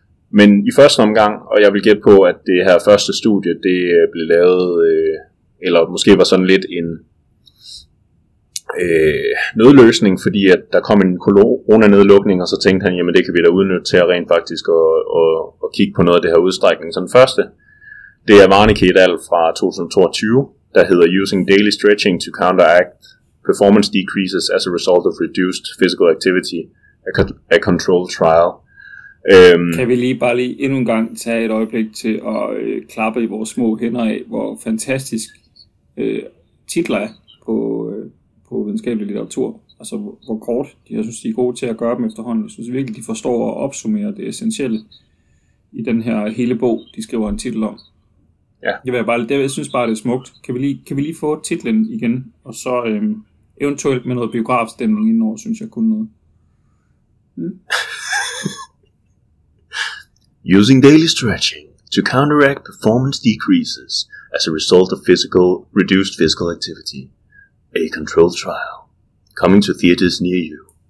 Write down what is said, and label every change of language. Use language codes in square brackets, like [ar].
[da] Men i første omgang, og jeg vil gætte på, at det her første studie, det blev lavet, eller måske var sådan lidt en nødløsning, fordi at der kom en corona-nedlukning, og så tænkte han, jamen det kan vi da udnytte til at rent faktisk og kigge på noget af det her udstrækning. Så den første, det er Warnecke et al. Fra 2022, der hedder [en] Using Daily Stretching to Counteract Performance Decreases as a Result of Reduced Physical Activity, a Controlled Trial. [da] Kan vi lige bare lige endnu en gang tage et øjeblik til at klappe i vores små hænder af, hvor fantastisk titler er på videnskabelig litteratur. Altså hvor kort de, jeg synes, de er gode til at gøre dem efterhånden. Jeg synes virkelig, de forstår og opsummerer det essentielle i den her hele bog, de skriver en titel om. Ja. Jeg synes bare, det er smukt. Kan vi lige få titlen igen, og så eventuelt med noget biografstemning indenover, synes jeg kun noget. [en] Using daily stretching to counteract performance decreases as a result of reduced physical activity. A controlled trial. Coming to theaters near you.